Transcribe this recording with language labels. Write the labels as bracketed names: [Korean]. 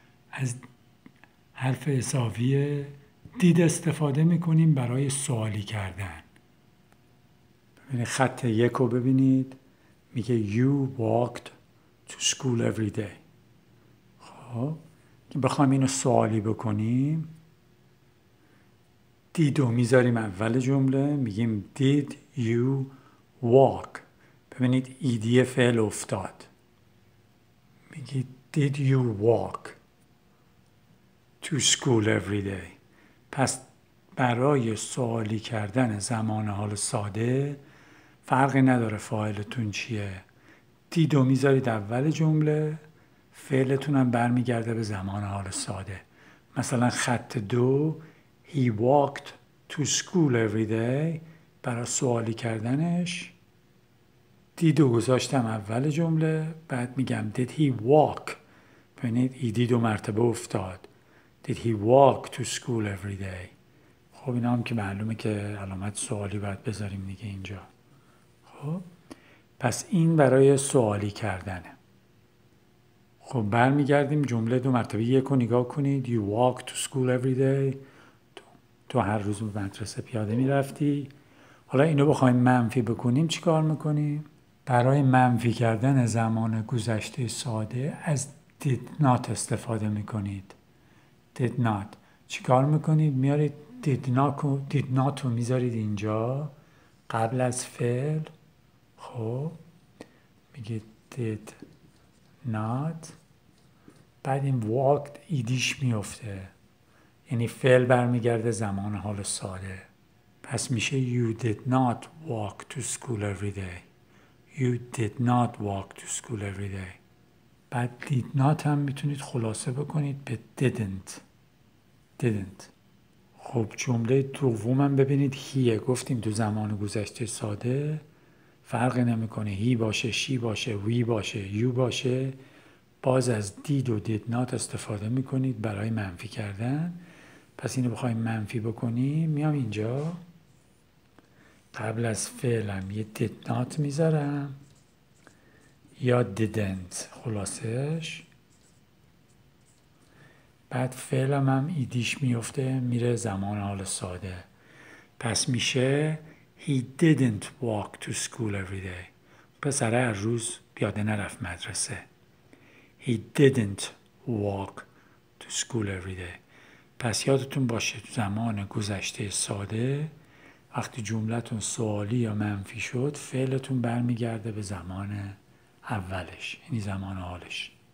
[Persian] از حرف اضافی did استفاده میکنیم برای سوالی کردن. ببینید خط یک رو ببینید. میگه [English] you walked to school every day. [Persian] خب بخوام اینو سوالی بکنیم دیدو میذاریم اول جمله، میگیم [English] did you walk. [Persian] ببینید ایدی فعل افتاد، میگی [English] did you walk to school every day. [Persian] پس برای سوالی کردن زمان حال ساده فرقی نداره فاعلتون چیه، دیدو میذارید اول جمله، فعلتون هم برمیگرده به زمان حال ساده. مثلا خط دو [English] He walked to school every day. [Persian] برای سوالی کردنش دیدو گذاشتم اول جمله، بعد میگم [English] Did he walk. [Persian] ببینید ایدی دو مرتبه افتاد. [English] Did he walk to school every day. [Persian] خب این هم که معلومه که علامت سوالی باید بذاریم دیگه اینجا. پس این برای سوالی کردنه. خب برمیگردیم جمله دو مرتبه یک رو نگاه کنید. [English] You walk to school every day. [Persian] تو هر روز به مدرسه پیاده میرفتی. حالا اینو بخوایم منفی بکنیم چیکار میکنیم؟ برای منفی کردن زمان گذشته ساده از did not استفاده میکنید. Did not چیکار میکنید؟ میارید did not رو میذارید اینجا قبل از فعل. خب میگه did not، بعد این walked ایدیش میفته، یعنی فعل برمیگرده زمان حال ساده. پس میشه [English] you did not walk to school every day. You did not walk to school every day. [Persian] بعد did not هم میتونید خلاصه بکنید به didn't. Didn't. خب جمله دوم هم ببینید هیه. گفتیم تو زمان گذشته ساده فرقی نمیکنه هی باشه، شی باشه، وی باشه، یو باشه، باز از دید و دید نات استفاده میکنید برای منفی کردن. پس اینو بخوایم منفی بکنیم، میام اینجا قبل از فعلم یه دید نات میذارم یا didn't خلاصش، بعد فعلم هم ایدیش میفته میره زمان حال ساده. پس میشه [English] He didn't walk to school every day. [Persian] پسره هر روز پیاده نرفت مدرسه. [English] He didn't walk to school every day. [Persian] پس یادتون باشه تو زمان گذشته ساده وقتی جملتون سوالی یا منفی شد فعلتون برمیگرده به زمان اولش، یعنی زمان حالش.